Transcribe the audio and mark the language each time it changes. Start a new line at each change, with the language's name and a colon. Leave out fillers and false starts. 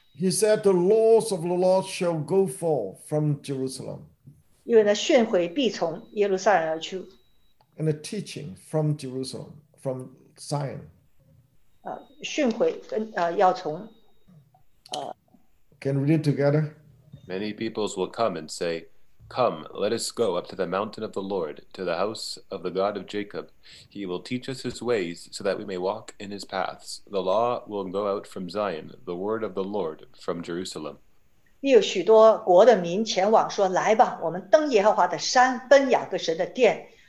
English: He said, the laws of the Lord shall go forth from Jerusalem.
Chinese: 因为呢训诲必从耶路撒冷而去。
English: And a teaching from Jerusalem, from Zion.
Chinese: 训诲要从。
English: Can we read it together? Many peoples will come and say, come, let us go up to the mountain of the Lord, to the house of the God of Jacob. He will teach us his ways so that we may walk in his paths. The law will go out from Zion, the word of the Lord from Jerusalem.
Chinese: 有许多国的民前往说，来吧，我们登耶和华的山，奔雅各神的殿。